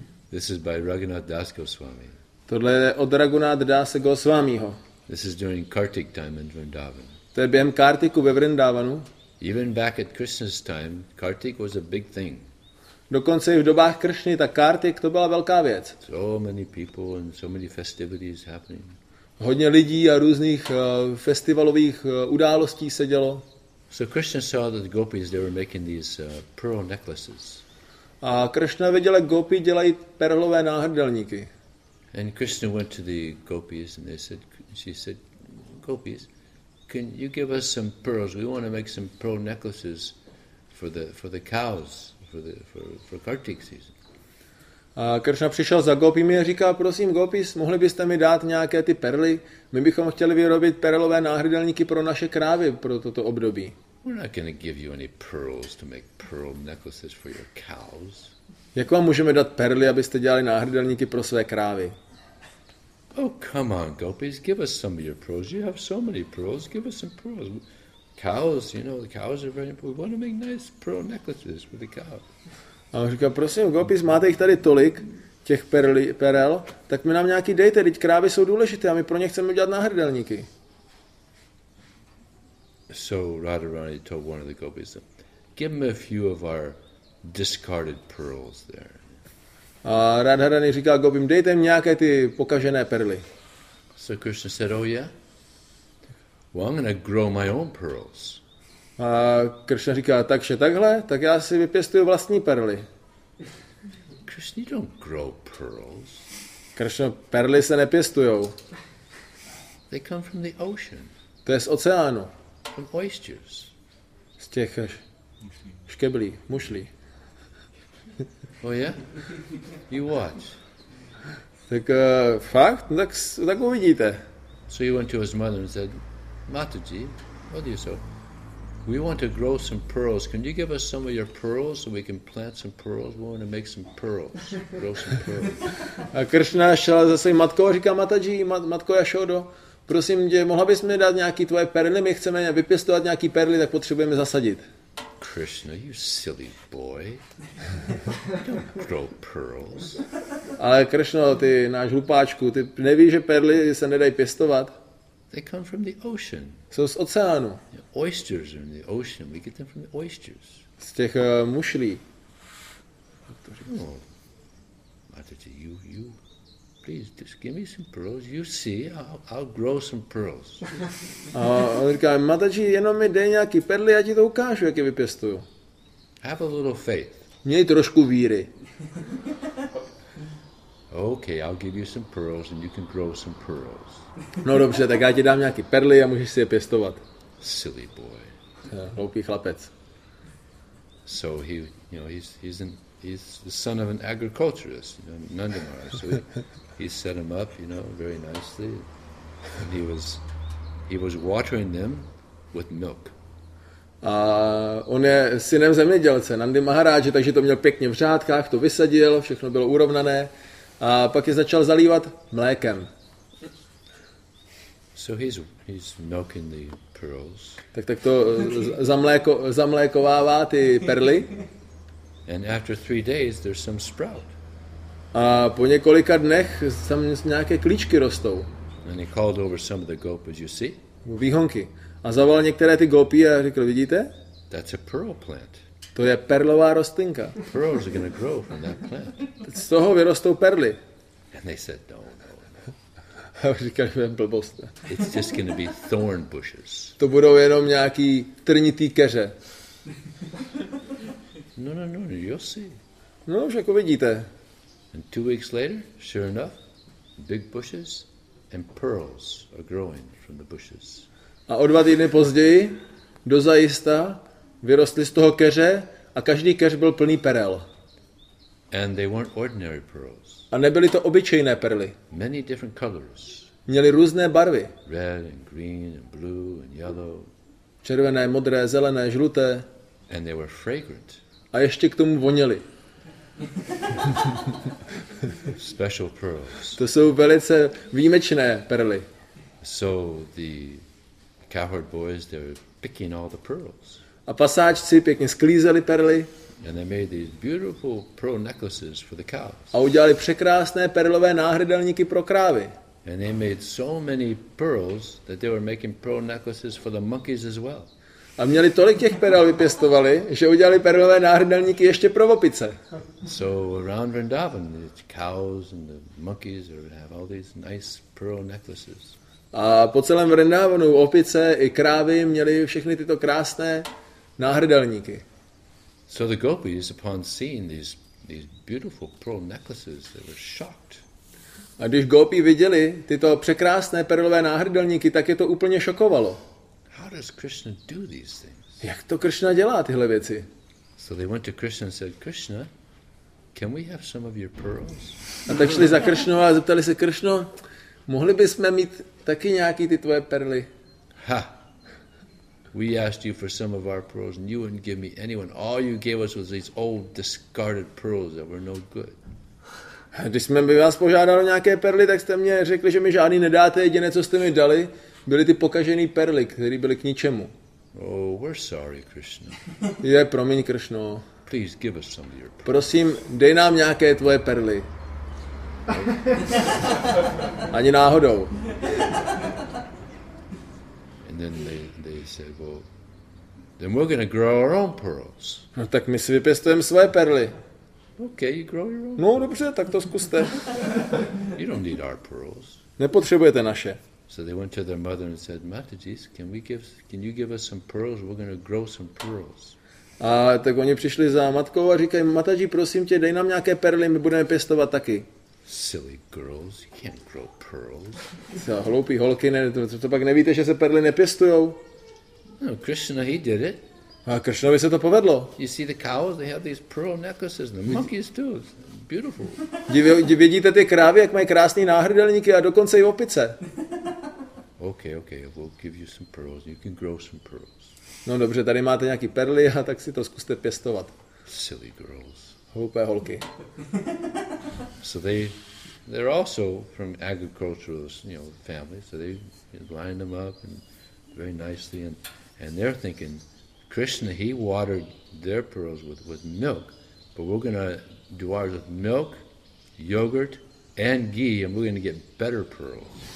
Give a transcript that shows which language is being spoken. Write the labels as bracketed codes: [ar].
[en] This is by Raghunath Das Goswami. [cs] Tohle je od Raghunath Das Goswamiho. [en] This is during Kartik time in Vrindavan. [cs] To je během Kartiku ve Vrindavanu. [en] Even back at Krishna's time, Kartik was a big thing. [cs] Dokonce i v dobách Krishny, tak Kartik to byla velká věc. [en] So many people and so many festivities happening. [cs] Hodně lidí a různých festivalových událostí se dělo. [en] So Krishna saw that the gopis, they were making these pearl necklaces. [cs] A Krishna viděl, jak gopi dělají perlové náhrdelníky. [en] And Krishna went to the gopis and she said, "Gopis, can you give us some pearls? We want to make some pearl necklaces for the cows for Kartik season." [cs] A Krishna přišel za gopimi a říká, prosím, gopis, mohli byste mi dát nějaké ty perly? My bychom chtěli vyrobit perlové náhrdelníky pro naše krávy pro toto období. [en] We're not going to give you any pearls to make pearl necklaces for your cows. [cs] Jak vám můžeme dát perly, abyste dělali náhrdelníky pro své krávy? [en] Oh, come on, gopis, give us some of your pearls. You have so many pearls, give us some pearls. Cows, you know, the cows are very important. We want to make nice pearl necklaces for the cows. [cs] A on říká, prosím, gopis, máte jich tady tolik, těch perel, tak mi nám nějaký dejte, teď krávy jsou důležité a my pro ně chceme udělat náhrdelníky. [en] So Radharani told one of the gopis, give me a few of our discarded pearls there. [cs] A Radharani říká gopim, dejte jim nějaké ty pokažené perly. [en] So Krishna said, oh yeah? Well, I'm gonna grow my own pearls. [cs] A Krishna říká, takže takhle, tak já si vypěstuju vlastní perly. [en] Krishna, you don't grow pearls. [cs] Krishna, perly se nepěstujou. [en] They come from the ocean. [cs] To je z oceánu. [en] From oysters. [cs] Z těch škeblí, mušlí. [en] Oh yeah? You watch. [cs] Tak fakt? No, tak uvidíte. [en] So he went to his mother and said, Mataji, what do you say? We want to grow some pearls. Can you give us some of your pearls so we can plant some pearls? We want to make some pearls. Grow some pearls. [cs] A Krishna šel za svou matkou a říká, Mataji, matko Yashodo, prosím tě, mohla bys mi dát nějaký tvoje perly? My chceme vypěstovat nějaký perly, tak potřebujeme zasadit. [en] Krishna, you silly boy. Don't grow pearls. [cs] Ale Krishna, ty náš hlupáčku, ty nevíš, že perly se nedají pěstovat? [en] They come from the ocean. [cs] Jsou z oceánu. [en] Oysters are in the ocean. We get them from the oysters. [cs] Z těch mušlí. [en] No. Mataji, you please just give me some pearls. You see, I'll grow some pearls. [cs] A on říká, Mataji, jenom mi dej nějaký perly, já ti to ukážu, jak je vypěstuju. [en] Have a little faith. [cs] Měj trošku víry. [en] Okay, I'll give you some pearls and you can grow some pearls. [cs] No dobře, tak já ti dám nějaký perly a můžeš si je pěstovat. [en] Silly boy. [cs] Hloupý chlapec. [en] So he, you know, he's the son of an agriculturist, you know, Nandamara. So he set him up, you know, very nicely. And he was watering them with milk. [cs] A on je synem zemědělce, Nandimaharáže, takže to měl pěkně v řádkách, to vysadil, všechno bylo urovnané. A pak je začal zalívat mlékem. [en] So he's milking the pearls. [cs] Tak to zamlékovává ty perly. [en] And after 3 days there's some sprout. [cs] A po několika dnech tam nějaké klíčky rostou. [en] And he called over some of the gopis, you see? [cs] Výhonky. A zavolal některé ty gopi a řekl, vidíte? [en] That's a pearl plant. [cs] To je perlová rostlinka. [en] Pearls are gonna grow from that plant. [cs] Z toho vyrostou perly. [en] And they said no. [cs] A říkali, že jen blbost. [en] It's just gonna be thorn bushes. [cs] To budou jenom nějaký trnitý keře. [en] No, you'll see. [cs] No, už jako vidíte. [en] And 2 weeks later, sure enough, big bushes and pearls are growing from the bushes. [cs] A o 2 týdny později, dozajista, vyrostly z toho keře a každý keř byl plný perel. [en] And they weren't ordinary pearls. [cs] A nebyly to obyčejné perly. [en] Many different colors. [cs] Měly různé barvy. [en] Red and green and blue and yellow. [cs] Červené, modré, zelené, žluté. [en] And they were fragrant. [cs] A ještě k tomu voněly. [en] Special pearls. [cs] To jsou velice výjimečné perly. [en] So the cowherd boys, they were picking all the pearls. [cs] A pasáčci pěkně sklízeli perly. [en] And they made these beautiful pearl necklaces for the cows. [cs] A udělali překrásné perlové náhrdelníky pro krávy. [en] And they made so many pearls that they were making pearl necklaces for the monkeys as well. [cs] A měli tolik těch perel vypěstovali, že udělali perlové náhrdelníky ještě pro opice. [en] So around Vrindavan, the cows and the monkeys are going to have all these nice pearl necklaces. [cs] A po celém Vrindavanu opice i krávy měli všechny tyto krásné náhrdelníky. [en] So the gopis, upon seeing these beautiful pearl necklaces, they were shocked. [cs] A když gopi viděli tyto překrásné perlové náhrdelníky, tak je to úplně šokovalo. [en] How does Krishna do these things? [cs] Jak to Krishna dělá tyhle věci? [en] So they went to Krishna and said, Krishna, can we have some of your pearls? [cs] A tak šli za Krishnou a zeptali se, Krishno, mohli bychom mít taky nějaký ty tvoje perly? Ha! [en] We asked you for some of our pearls and you wouldn't give me anyone. All you gave us was these old discarded pearls that were no good. [cs] Když jsme by vás požádali nějaké perly, tak jste mě řekli, že mi žádný nedáte, jediné, co jste mi dali, byly ty pokažené perly, které byly k ničemu. [en] Oh, we're sorry, Krishna. [cs] Je, promiň, Krishno. [en] Please give us some of your pearls. [cs] Prosím, dej nám nějaké tvoje perly. Ani náhodou. [en] And then they said, well, then we're going to grow our own pearls. [cs] No tak my si vypěstujeme svoje perly. [en] Okay, you grow your own. [cs] No dobře, tak to zkuste. [en] You don't need our pearls. [cs] Nepotřebujete naše. [en] So they went to their mother and said, Mataji, can you give us some pearls? We're going to grow some pearls. [cs] A tak oni přišli za matkou a říkají, Mataji, prosím tě, dej nám nějaké perly, my budeme pěstovat taky. [en] Silly girls, you can't grow pearls. [cs] Co, hloupý holky, ne, to pak nevíte, že se perly nepěstujou? [en] No, Krishna, he did it. [cs] A Krishnovi se to povedlo. [en] You see the cows, they have these pearl necklaces, the monkeys too. It's beautiful. [cs] Vidíte ty krávy, jak mají krásný náhrdelníky a dokonce i opice. [en] Okay, we'll give you some pearls. You can grow some pearls. [cs] No dobře, tady máte nějaký perly, a tak si to zkuste pěstovat. [en] Silly girls. [cs] Hloupé holky. [en] So they're also from agricultural, you know, family, so they line them up and very nicely and they're thinking Krishna, he watered their pearls with milk, but we're going to do ours with milk, yogurt, and ghee, and we're going to get better pearls.